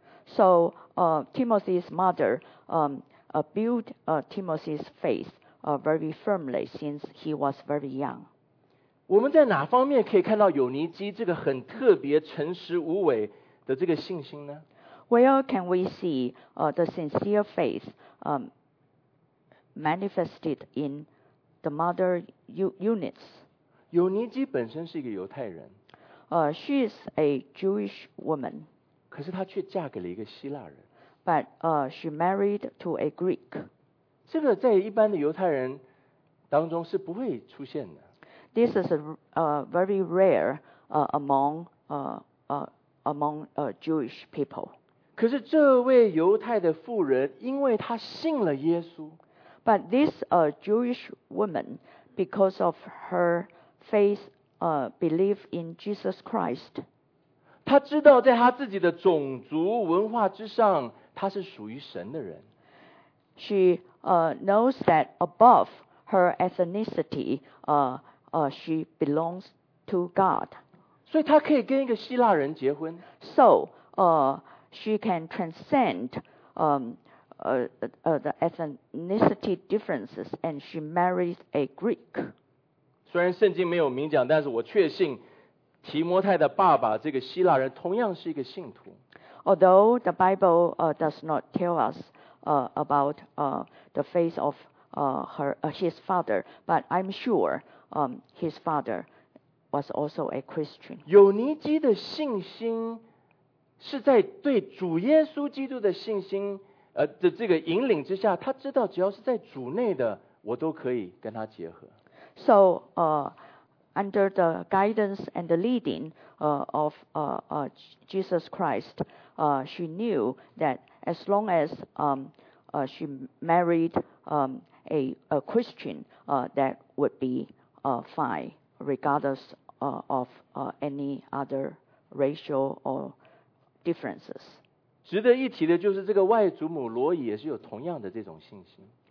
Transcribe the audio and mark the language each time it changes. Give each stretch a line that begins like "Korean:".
English: So Timothy's mother built Timothy's faith very firmly since he was very young.
Chinese: 我们在哪方面可以看到有尼基这个很特别诚实无伪的这个信心呢？
English: Where can we see the sincere faith manifested in the mother units?
Chinese: 有尼基本身是一个犹太人。
English: She is a Jewish woman.
Chinese: 可是她却嫁给了一个希腊人。
English: But she married to a Greek.
Chinese: 这个在一般的犹太人当中是不会出现的。
English: This is very rare among Jewish people.
Chinese: 可是这位犹太的妇人，因为她信了耶稣。
English: But this Jewish woman, because of her faith, belief in Jesus Christ.
Chinese: 她知道在她自己的种族文化之上。他是属于神的人。
English: She knows that above her ethnicity, she belongs to God.
Chinese: 所以她可以跟一个希腊人结婚。
English: So, she can transcend the ethnicity differences, and she marries a Greek.
Chinese: 虽然圣经没有明讲，但是我确信提摩太的爸爸这个希腊人同样是一个信徒。
English: Although the Bible does not tell us about the faith of his father, but I'm sure his father was also a Christian.
Chinese: 有尼基的信心是在对主耶稣基督的信心的这个引领之下，他知道只要是在主内的，我都可以跟他结合。
English: So, under the guidance and the leading of Jesus Christ, she knew that as long as she married a Christian, that would be fine, regardless of any other racial or differences.
Chinese: 值得一提的就是这个外祖母罗伊也是有同样的这种信心。